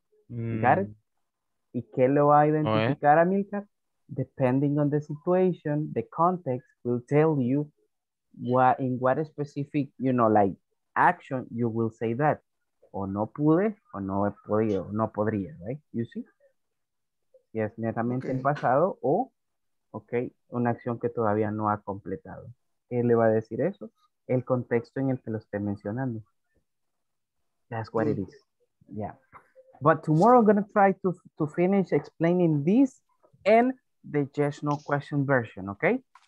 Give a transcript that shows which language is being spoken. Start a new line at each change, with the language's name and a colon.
English: Got it?
Spanish: ¿Y qué lo va a identificar, Amilcar?
English: Depending on the situation, the context will tell you in what specific, you know, like action, you will say that.
Spanish: O no pude, o no he podido, o no podría,
English: right? You see?
Spanish: Si es netamente en pasado, o, ok, una acción que todavía no ha completado. ¿Qué le va a decir eso? El contexto en el que lo esté mencionando.
English: That's what it is. Yeah. But tomorrow I'm going to try to finish explaining this and the yes, no question version, okay?